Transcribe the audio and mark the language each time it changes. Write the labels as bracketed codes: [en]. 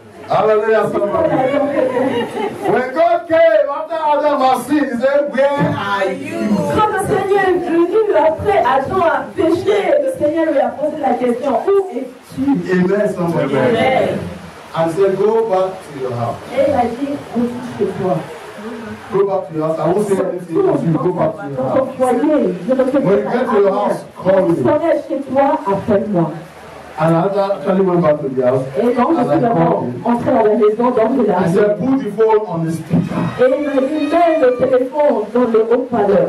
[en] Hallelujah, somebody. When God came after Adam was sin, he said, where are you? [fr] Quand le Seigneur est venu après Adam a péché, le Seigneur lui a posé la question, où es-tu? [en] Amen, somebody. Amen. I said, go back to your house. [fr] Et il a dit, retourne chez toi. [en] Go back to your house. I won't say anything because you go back to your house. When you get to your house, call me. [fr] Seigneur, chez toi, appelle-moi. [en] And as I actually went back to the house, [fr] et donc, [en] as I called him, he said, put the phone on the speaker. [fr] Et il a mis le téléphone dans le haut-parleur.